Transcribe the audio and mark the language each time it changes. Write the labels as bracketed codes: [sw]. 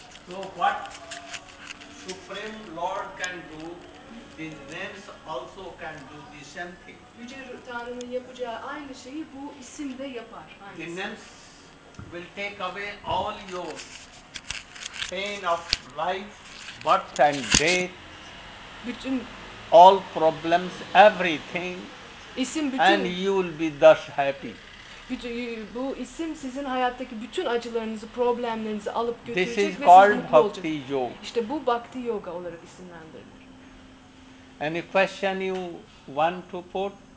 [en] So what Supreme Lord can do, the names also can do the same thing. [tr] Yüce Tanrı'nın yapacağı aynı şeyi bu isim de yapar. [en] The names will take away all your pain of life, birth and death, [tr] bütün [en] all problems, everything, [tr] isim bütün, [en] and you will be thus happy. [tr] Bu isim sizin hayattaki bütün acılarınızı, problemlerinizi alıp götürecek [en] this [tr] ve sizin mutlu olacak. [en] Bhakti yoga. [tr] İşte bu Bhakti Yoga olarak isimlendirilir. [en] Any question you want to put?